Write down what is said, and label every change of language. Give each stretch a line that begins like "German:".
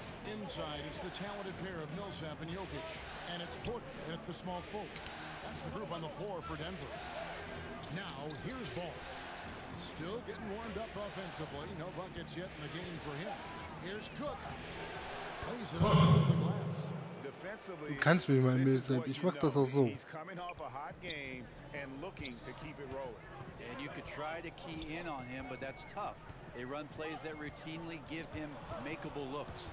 English: Inside, it's the talented pair of Millsap and Jokic, and it's Porter at the small forward. That's the group on the floor for Denver. Now, here's Ball. Still getting warmed up offensively. No buckets yet in the game for him. Here's Cook. Plays it off the glass.
German: Du kannst mir mal Millsap, ich mach das auch so.
English: He's coming off a hot game and looking to keep it rolling. And you could try to key in on him, but that's tough. They run plays that routinely give him makeable looks.